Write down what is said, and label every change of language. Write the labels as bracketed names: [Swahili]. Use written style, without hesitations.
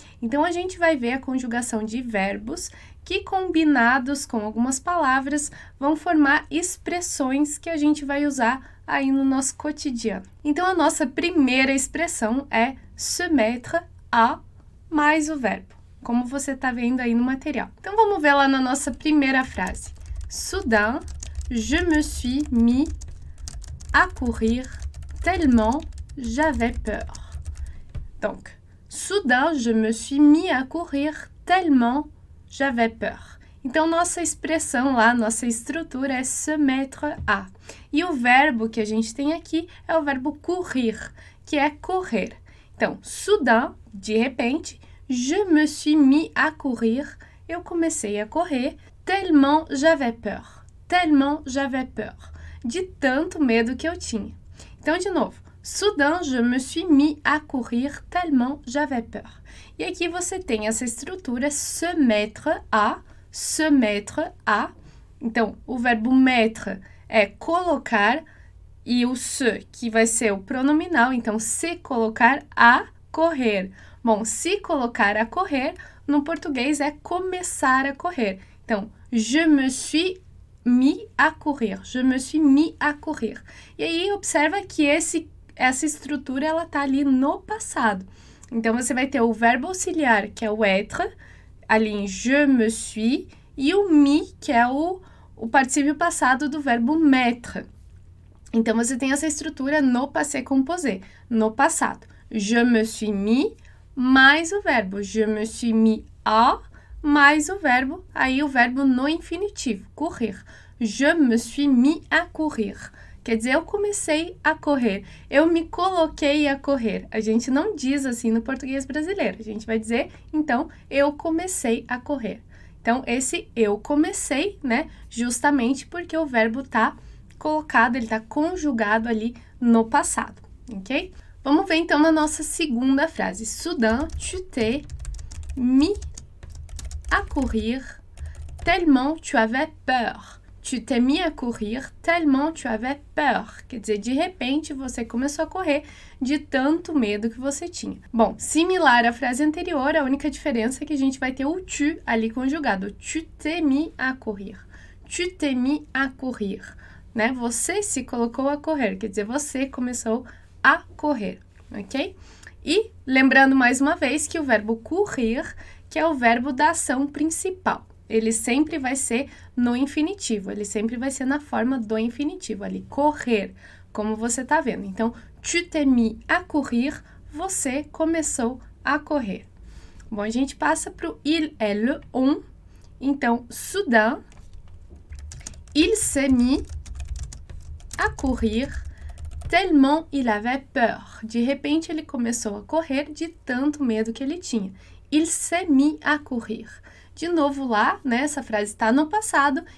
[Portuguese] Então a gente vai ver a conjugação de verbos que, combinados com algumas palavras, vão formar expressões que a gente vai usar aí no nosso cotidiano. Então a nossa primeira expressão é [French] se mettre à [Portuguese] mais o verbo, como você está vendo aí no material. Então vamos ver lá na nossa primeira frase. [French] Soudain, je me suis mis à courir tellement j'avais peur. Donc, soudain, je me suis mis à courir tellement j'avais peur. [Portuguese] Então, nossa expressão lá, nossa estrutura é [French] se mettre à. [Portuguese] E o verbo que a gente tem aqui é o verbo courir, que é correr. Então, soudain, de repente, [French] je me suis mis à courir, [Portuguese] eu comecei a correr. [French] Tellement j'avais peur. Tellement j'avais peur. [Portuguese] De tanto medo que eu tinha. Então, de novo. [French] Soudain, je me suis mis à courir tellement j'avais peur. [Portuguese] E aqui você tem essa estrutura [French] se mettre à. Se mettre à. [Portuguese] Então, o verbo mettre é colocar e o se, que vai ser o pronominal. Então, se colocar à correr. Bom, se colocar à correr, no português é começar a correr. [French] Então, je me suis mis à courir. Je me suis mis à courir. [Portuguese] E aí, observa que essa estrutura, ela está ali no passado. Então, você vai ter o verbo auxiliar, que é o être, ali em je me suis, e o me, que é o particípio passado do verbo mettre. Então, você tem essa estrutura no passé composé, no passado. [French] Je me suis mis, [Portuguese] mais o verbo. [French] Je me suis mis à. [Portuguese] Mais o verbo, aí o verbo no infinitivo, correr. [French] Je me suis mis à courir. [Portuguese] Quer dizer, eu comecei a correr. Eu me coloquei a correr. A gente não diz assim no português brasileiro. A gente vai dizer, então, eu comecei a correr. Então, esse eu comecei, né? Justamente porque o verbo está colocado, ele está conjugado ali no passado. Ok? Vamos ver, então, na nossa segunda frase. [French] Soudain, tu t'es mis à courir tellement tu avais peur. Tu t'es mis à courir tellement tu avais peur. [Portuguese] Quer dizer, de repente, você começou a correr de tanto medo que você tinha. Bom, similar à frase anterior, a única diferença é que a gente vai ter o tu ali conjugado. [French] Tu t'es mis à courir. Tu t'es mis à courir. [Portuguese] Né? Você se colocou a correr. Quer dizer, você começou a correr. Ok? E lembrando mais uma vez que o verbo courir, que é o verbo da ação principal. Ele sempre vai ser no infinitivo, ele sempre vai ser na forma do infinitivo, ali, correr, como você está vendo. Então, [French] tu t'es mis à courir, [Portuguese] você começou a correr. Bom, a gente passa para o il, elle, on. [French] Então, soudain, il s'est mis à courir tellement il avait peur. [Portuguese] De repente, ele começou a correr de tanto medo que ele tinha. [French] Il s'est mis à courir. [Portuguese] De novo lá, né? Essa frase está no passado.